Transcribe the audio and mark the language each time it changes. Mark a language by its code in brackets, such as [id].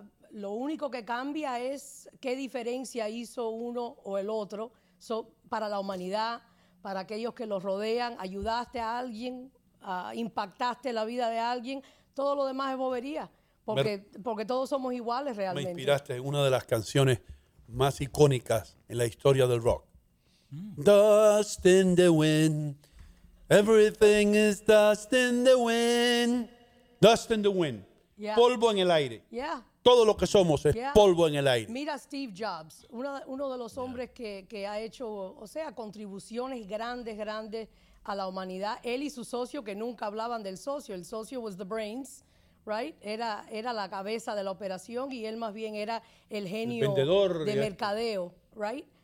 [es] Lo único que cambia es qué diferencia hizo uno o el otro para la humanidad, para aquellos que los rodean. ¿Ayudaste a alguien? ¿Impactaste la vida de alguien? Todo lo demás es bobería, porque todos somos iguales realmente. Me inspiraste en una de las canciones más icónicas en la historia del rock. [en] Dust in the wind, everything is dust in the wind. Dust in the wind, yeah. [es] Polvo en el aire. [en] Yeah. [es] Todo lo que somos es polvo en el aire. Mira a Steve Jobs, uno de los hombres que ha hecho, o sea, contribuciones grandes a la humanidad. Él y su socio, que nunca hablaban del socio. El socio [en] was the brains, right? [es] Era la cabeza de la operación y él más bien era el genio de mercadeo, right?